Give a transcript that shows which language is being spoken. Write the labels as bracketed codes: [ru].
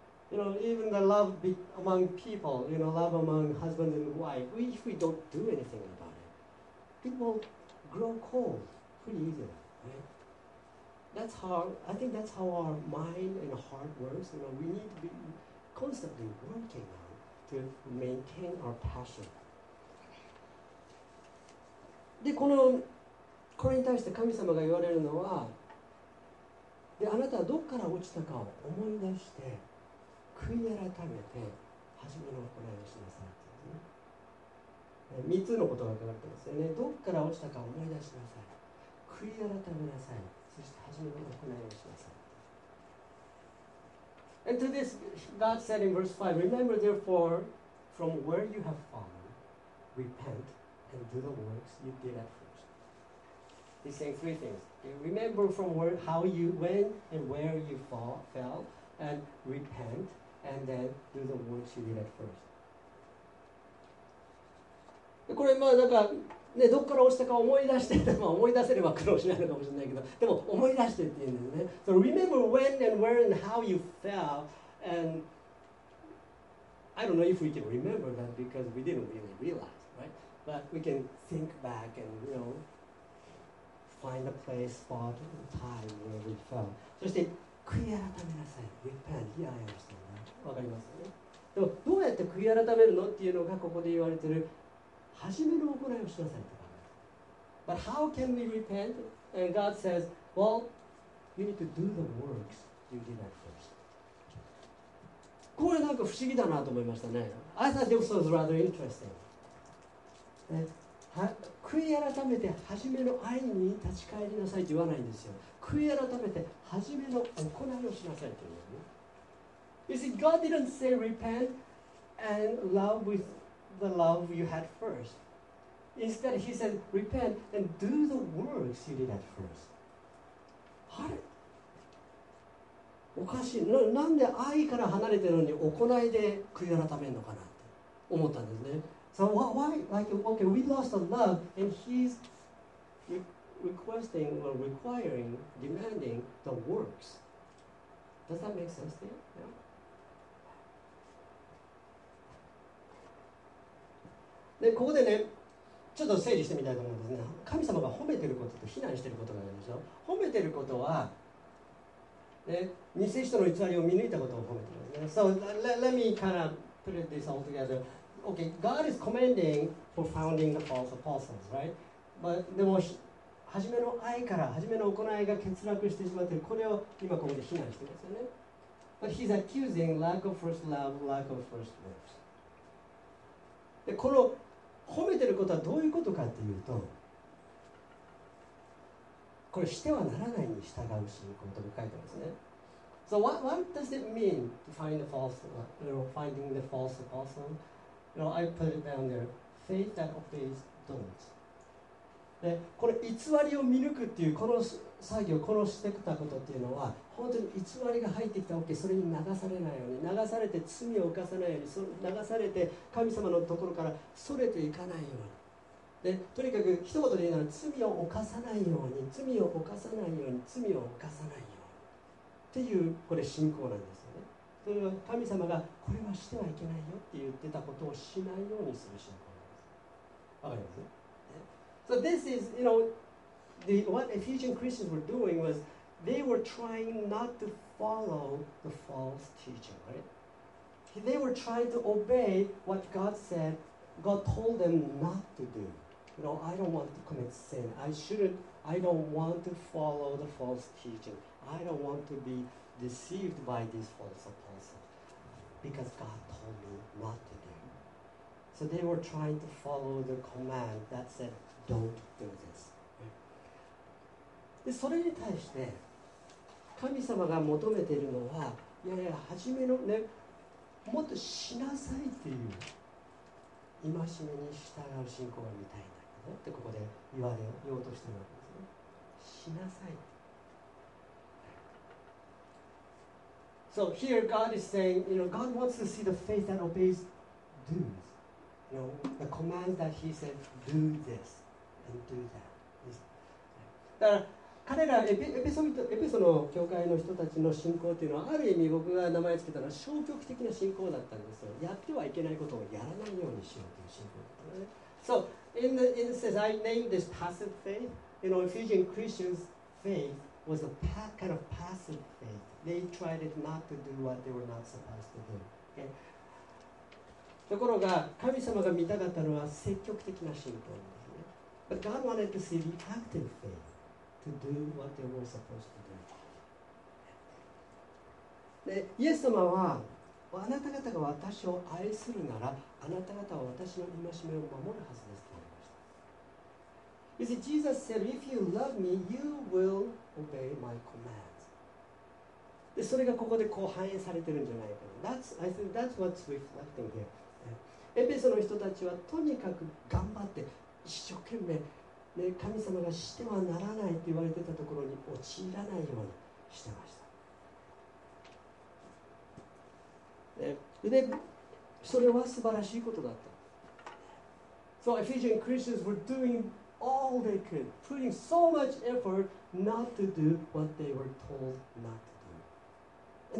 [en] You know, even the love among people, you know, love among husband and wife, if we don't do anything about it, people grow cold pretty easily, right? I think that's how our mind and heart works. You know, we need to be constantly working on to maintain our passion. [ja] で、これに対して神様が言われるのは、で、あなたはどこから落ちたかを思い出して、悔い改めて、初めの行いをしなさいって言うんですね。3つのことが書かれてますよね。どこから落ちたか思い出しなさい。悔い改めなさい。そして初めの行いをしなさい。 [en] And to this, God said in verse 5, Remember therefore, from where you have fallen, repent and do the works you did at first. He's saying three things. Remember from where, how you, when and where you fell, and repent. And then do the works you did at first. [ja] これまあなんかね、どこから落ちたか思い出して、まあ思い出せれば苦労しないのかもしれないけど、でも思い出してっていうんですね。 [en] So remember when and where and how you fell, and I don't know if we can remember that because we didn't really realize, right? But we can think back and you know find a place, spot, time where we fell. [ja] そして悔い改めなさい。 [en] Repent. Yeah, I understand. [ja] わかりますよね。でもどうやって悔い改めるのっていうのがここで言われている初めの行いをしなさいって考えます。 [en] But how can we repent? And God says, well, you need to do the works you did at first. [ja] これなんか不思議だなと思いましたね。 [en] I thought this was rather interesting. [ja] 悔い改めて初めの愛に立ち返りなさいって言わないんですよ。悔い改めて初めの行いをしなさいって言うのね。 [en] You see, God didn't say repent and love with the love you had first. Instead, he said repent and do the works you did at first. [ja] あれ? おかしい、なんで愛から離れてるのに行いで悔い改めるのかなって思ったんですね。 [en] So why, like, okay, we lost our love, and he's requesting or requiring, demanding the works. Does that make sense to you? Yeah. [ja] で、ここでね、ちょっと整理してみたいと思うんですね。神様が褒めてることと非難してることがあるでしょ。褒めてることは、ね、偽人の偽りを見抜いたことを褒めてるんですね。 [en] So let me kind of put this all together. Okay, God is commending for founding the false apostles, right? But [ja] でも初めの愛から初めの行いが欠落してしまっている、これを今ここで非難していますよね。 [en] But he's accusing lack of first love, lack of first works. [ja] でこの褒めてることはどういうことかというと、これしてはならないに従うし、こういうことが書いてますね。 [en] So what does it mean to find the false, you know, finding the false apostle? You know, I put it down there. Faith that obeys, don't. [ja] で、これ偽りを見抜くっていうこの作業、このしてきたことっていうのは、本当に偽りが入ってきた OK、それに流されないように、流されて罪を犯さないように、流されて神様のところからそれていかないように。で、とにかく一言で言うなら、罪を犯さないように、罪を犯さないように、罪を犯さないように。っていう、これ信仰なんです。それは神様がこれはしてはいけないよって言ってたことをしないようにする信仰です。わかります、ね、 [en] So this is, you know, what Ephesian Christians were doing was they were trying not to follow the false teaching, right? They were trying to obey what God said, God told them not to do. You know, I don't want to commit sin. I don't want to follow the false teaching. I don't want to beDeceived by this false apostle because God told me not to do. So they were trying to follow the command that said, don't do this. [ja] で、それに対して神様が求めているのは、いやいや、初めのね、もっとしなさいっていう戒めに従う信仰が見たいんだけどってここで言われようとしているわけですね。しなさい。 [en] So here God is saying, you know, God wants to see the faith that obeys do's. You know, the command that he said, do this and do that. [ja] だから彼らエペソの教会の人たちの信仰というのは、ある意味僕が名前つけたのは消極的な信仰だったんですよ。やってはいけないことをやらないようにしようという信仰だったんですね。 [en] So in the sense, I named this passive faith. You know, Ephesian Christians' faith was a kind of passive faith. They tried it not to do what they were not supposed to do.、Okay? [ja] ところが神様が見たかったのは積極的な信仰ですね。 [en] But God wanted to see the active faith to do what they were supposed to do. [ja] で、イエス様は、あなた方が私を愛するなら、あなた方は私の戒めを守るはずですと言いました。 [en] You see, Jesus said, if you love me, you will obey my command. [ja] でそれがここでこう反映されてるんじゃないかな。 [en] That's, I think that's what's reflecting here. [ja] エペソの人たちはとにかく頑張って一生懸命、ね、神様がしてはならないって言われてたところに陥らないようにしてました。でそれは素晴らしいことだった。 [en] So Ephesian Christians were doing all they could, putting so much effort not to do what they were told not to do.